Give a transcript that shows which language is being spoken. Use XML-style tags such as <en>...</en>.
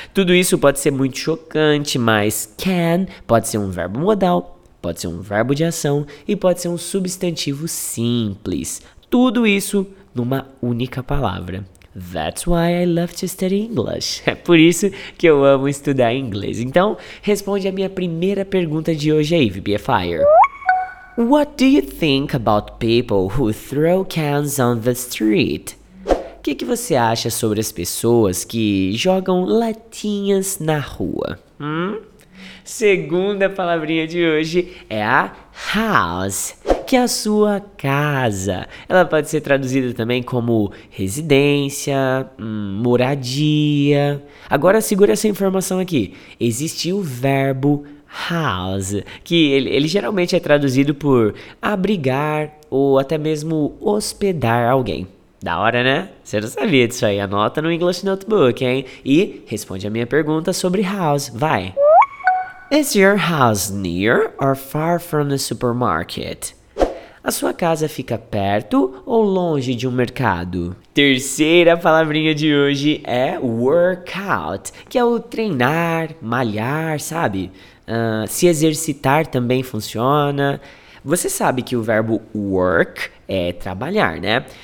<pt>Tudo isso pode ser muito chocante, mas can pode ser um verbo modal, pode ser um verbo de ação e pode ser um substantivo simples. Tudo isso numa única palavra.</pt> <en>That's why I love to study English.</en> <pt>É por isso que eu amo estudar inglês. Então, responde a minha primeira pergunta de hoje aí, VPFire.</pt> <en>What do you think about people who throw cans on the street?</en> <pt>Que você acha sobre as pessoas que jogam latinhas na rua? Segunda palavrinha de hoje é a house, que é a sua casa. Ela pode ser traduzida também como residência, moradia. Agora segura essa informação aqui. Existe o verbo house, que ele geralmente é traduzido por abrigar ou até mesmo hospedar alguém. Da hora, né? Você não sabia disso aí. Anota no English Notebook, hein? E responde a minha pergunta sobre house. Vai!</pt> <en>Is your house near or far from the supermarket?</en> <pt>A sua casa fica perto ou longe de um mercado? Terceira palavrinha de hoje é workout, que é o treinar, malhar, sabe? Se exercitar também funciona. Você sabe que o verbo work é trabalhar, né?</pt>